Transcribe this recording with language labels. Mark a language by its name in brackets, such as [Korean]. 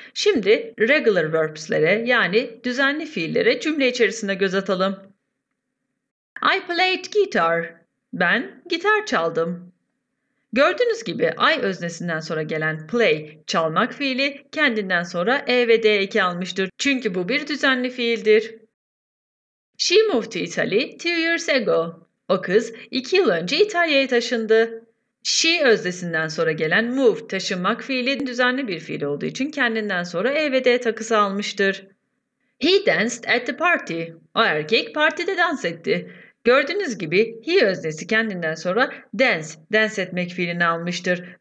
[Turkish] Şimdi regular verbs'lere yani düzenli fiillere cümle içerisinde göz atalım. [English] I played guitar. [Turkish] Ben gitar çaldım. Gördüğünüz gibi I öznesinden sonra gelen play, çalmak fiili kendinden sonra e ve d eki almıştır. Çünkü bu bir düzenli fiildir. [English] She moved to Italy 2 years ago. [Turkish] O kız 2 yıl önce İtalya'ya taşındı. She öznesinden sonra gelen move, taşınmak fiili düzenli bir fiil olduğu için kendinden sonra e ve d takısı almıştır. [English] He danced at the party. [Turkish] O erkek partide dans etti. Gördüğünüz gibi he öznesi kendinden sonra dance, dans etmek fiilini almıştır.